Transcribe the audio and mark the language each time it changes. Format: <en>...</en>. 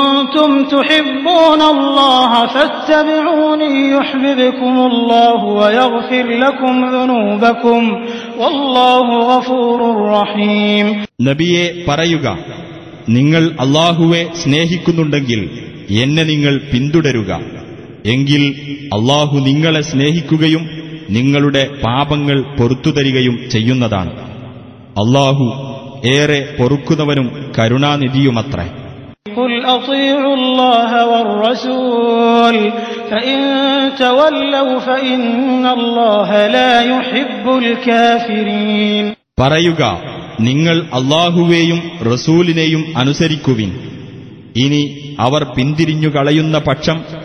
<ar>كنتم تحبون الله فاتبعوني يحببكم الله ويغفر لكم ذنوبكم والله غفور رحيم.</ar> <ml>നബിയെ പറയുക, നിങ്ങൾ അല്ലാഹുവെ സ്നേഹിക്കുന്നുണ്ടെങ്കിൽ എന്നെ നിങ്ങൾ പിന്തുടരുക. എങ്കിൽ അല്ലാഹു നിങ്ങളെ സ്നേഹിക്കുകയും നിങ്ങളുടെ പാപങ്ങൾ പൊറുത്തു തരികയും ചെയ്യുന്നതാണ്. അല്ലാഹു ഏറെ പൊറുക്കുന്നവനും കരുണാനിധിയുമത്രേ.</ml> <ar>قل اطيعوا الله والرسول فان تولوا فان الله لا يحب الكافرين.</ar> <ml>പറയുക, നിങ്ങൾ അല്ലാഹുവേയും റസൂലിനെയും അനുസരിക്കുവിൻ. ഇനി അവർ പിന്തിരിഞ്ഞു കളയുന്ന പക്ഷം</ml>